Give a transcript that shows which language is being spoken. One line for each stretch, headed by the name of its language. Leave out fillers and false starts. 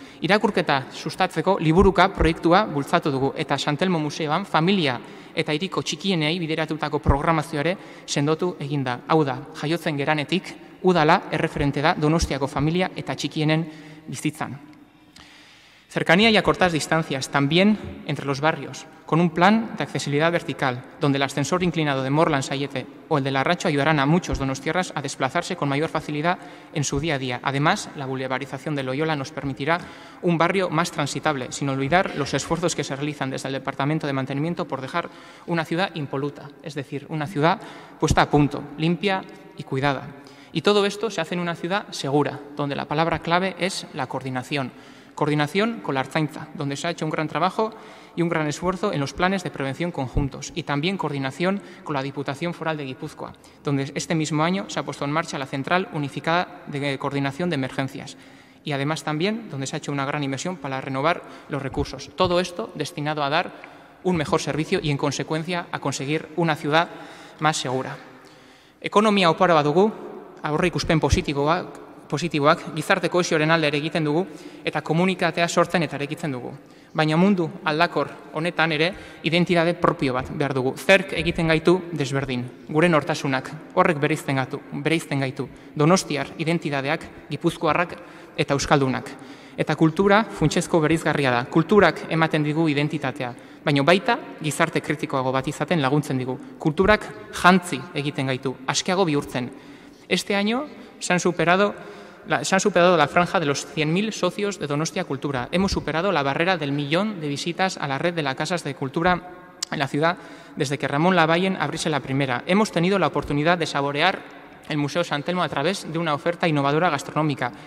Basque: Irakurketa sustatzeko liburuka proiektua bultzatu dugu, eta Santelmo Museoan familia eta hiriko txikienei bideratutako programazioare sendotu eginda. Hau da, jaiotzen geranetik, udala erreferente da Donostiako familia eta txikienen bizitzan.
Spanish: Cercanía y a cortas distancias, también entre los barrios, con un plan de accesibilidad vertical, donde el ascensor inclinado de Morlans Ayete o el de Larracho ayudarán a muchos donostiarras a desplazarse con mayor facilidad en su día a día. Además, la bulevarización de Loyola nos permitirá un barrio más transitable, sin olvidar los esfuerzos que se realizan desde el Departamento de Mantenimiento por dejar una ciudad impoluta, es decir, una ciudad puesta a punto, limpia y cuidada. Y todo esto se hace en una ciudad segura, donde la palabra clave es la coordinación. Coordinación con la Ertzaintza, donde se ha hecho un gran trabajo y un gran esfuerzo en los planes de prevención conjuntos. Y también coordinación con la Diputación Foral de Guipúzcoa, donde este mismo año se ha puesto en marcha la Central Unificada de Coordinación de Emergencias. Y además también donde se ha hecho una gran inversión para renovar los recursos. Todo esto destinado a dar un mejor servicio y, en consecuencia, a conseguir una ciudad más segura.
Basque: Ekonomia oparoa dugu, aurreikuspen positiboa, positiboak, gizarte kohesioaren alde ere egiten dugu eta komunitatea sortzen eta eraikitzen dugu. Baina mundu aldakor honetan ere identitate propio bat behar dugu. Zerk egiten gaitu desberdin, gure nortasunak, horrek bereizten gaitu, donostiar identitateak, gipuzkoarrak eta euskaldunak. Eta kultura funtsezko bereizgarria da. Kulturak ematen digu identitatea, baina baita gizarte kritikoago bat izaten laguntzen digu. Kulturak jantzi egiten gaitu, askeago bihurtzen.
Spanish: Este año se han superado la franja de los 100.000 socios de Donostia Cultura. Hemos superado la barrera del millón de visitas a la red de las casas de cultura en la ciudad desde que Ramón Labayen abriese la primera. Hemos tenido la oportunidad de saborear el Museo San Telmo a través de una oferta innovadora gastronómica.